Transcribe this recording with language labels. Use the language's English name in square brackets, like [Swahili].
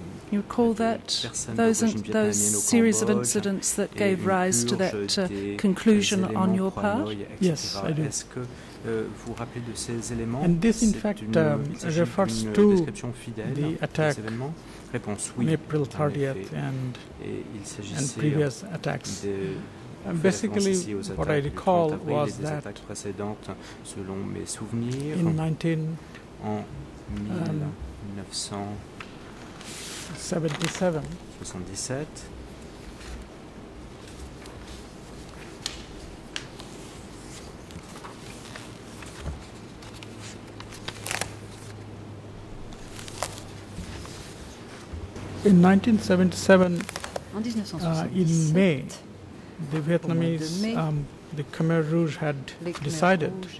[English] you recall that those series of incidents that gave rise to that conclusion on your part? Yes, I do. [French] Est-ce que vous rappelez de ces éléments? [English] And this, in fact, refers to the attack on April 30th and previous attacks. Basically, what I recall was that [French] selon mes souvenirs, [English] in 19 1977, in May, the Vietnamese, the Khmer Rouge had decided